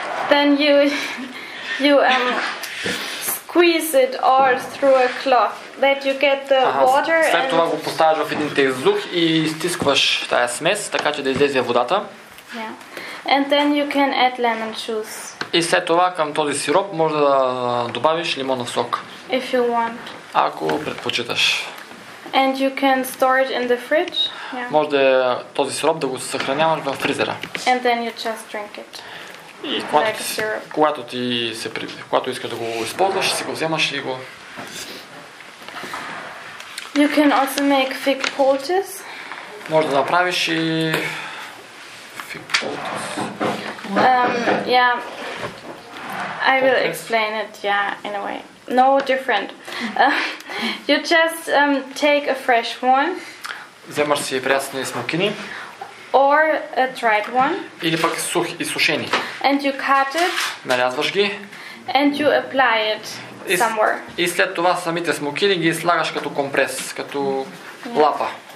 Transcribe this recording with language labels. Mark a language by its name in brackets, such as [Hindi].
[English] Then you squeeze it all through a cloth that you get the water. [Bulgarian] След това го поставяш в един тезух и стискваш тая смес, така че да излезе водата. [English] Yeah. And then you can add lemon juice. [Bulgarian] И след това към този сироп може да добавиш лимонов сок. [English] If you want. [Bulgarian] Ако предпочиташ. [English] And you can store it in the fridge. Yeah. [Bulgarian] Може да този сироп да го съхраняваш в фризера. [English] And then you just drink it. [Bulgarian] И когато, like когато ти се когато искаш да го използваш, си го вземаш и го. [English] You can also make fig poultice. [Bulgarian] Може да направиш и [English] fig poultice. Yeah. I will explain it, yeah, in a way. No different. You just take a fresh one. [Bulgarian] Вземаш си прясни смокини. [English] Or a dried one. [Bulgarian] Или пък сух и сушени. [English] And you cut it. [Bulgarian] Нарязваш ги. [English] And you apply it somewhere. [Bulgarian] И след това самите смокини ги слагаш като компрес, като лапа.